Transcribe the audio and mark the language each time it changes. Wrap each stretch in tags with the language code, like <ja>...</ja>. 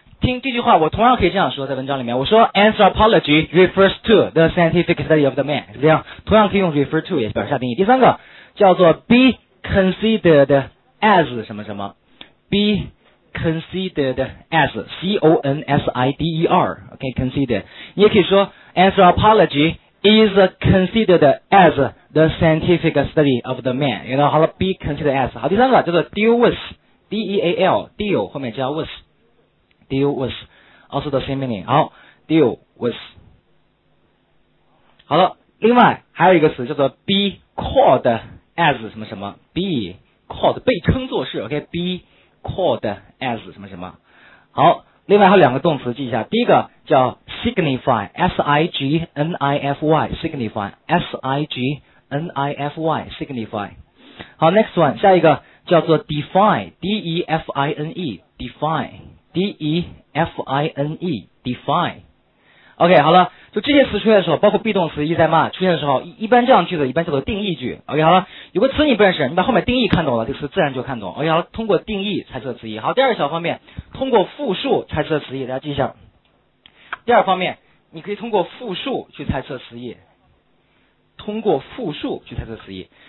<zh>听这句话，我同样可以这样说，在文章里面，我说</zh> <en>anthropology refers to the scientific study of the man，</en> <zh>是这样，同样可以用 refer to 也表示下定义。第三个叫做 be considered as 什么什么 ，be considered as C-O-N-S-I-D-E-R，OK，considered。你也可以说</zh> <en>anthropology is considered as the scientific study of the man，</en> <zh>然后好了</zh> <en>be considered as。</en> <zh>好，第三个叫做 deal with， D-E-A-L， deal 后面加 with，</zh> <en>deal with also the same meaning。</en> <zh>好， deal with。好了，另外还有一个词叫做 be called as 什么什么， be called 被称作是， OK， be called as 什么什么。好，另外还有两个动词记一下，第一个叫 signify， S-I-G-N-I-F-Y， signify， S-I-G-N-I-F-Y， signify。好，</zh> <en>next one，</en> <zh>下一个叫做 define， D-E-F-I-N-E， define， D-E-F-I-N-E， define。 OK， 好了，就这些词出现的时候，包括 be 动词 is am 出现的时候， 一般这样句子一般叫做定义句。 OK， 好了，有个词你不认识，你把后面定义看懂了，这个词自然就看懂。 OK， 好了，通过定义猜测词义。好，第二个小方面，通过复数猜测词义，大家记一下。第二方面，你可以通过复数去猜测词义，通过复数去猜测词义。</zh>